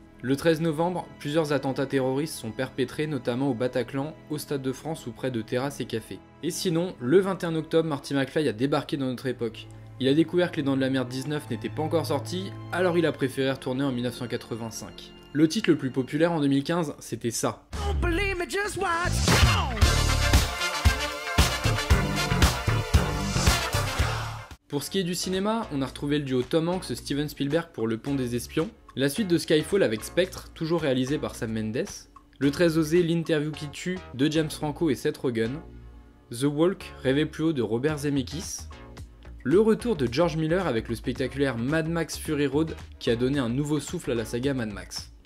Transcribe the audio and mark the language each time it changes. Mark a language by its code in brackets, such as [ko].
[fr] Le 13 novembre, plusieurs attentats terroristes sont perpétrés, notamment au Bataclan, au Stade de France ou près de terrasses et cafés. Et sinon, le 21 octobre, Marty McFly a débarqué dans notre époque. Il a découvert que Les Dents de la Mer 19 n'étaient pas encore sortis, alors il a préféré retourner en 1985. Le titre le plus populaire en 2015, c'était ça. [en] Don't believe me, just watch. [fr] Pour ce qui est du cinéma, on a retrouvé le duo Tom Hanks-Steven Spielberg pour Le Pont des Espions. La suite de Skyfall avec Spectre, toujours réalisé par Sam Mendes. Le très osé L'Interview qui tue de James Franco et Seth Rogen. The Walk, Rêver plus haut de Robert Zemeckis. Le retour de George Miller avec le spectaculaire Mad Max Fury Road qui a donné un nouveau souffle à la saga Mad Max.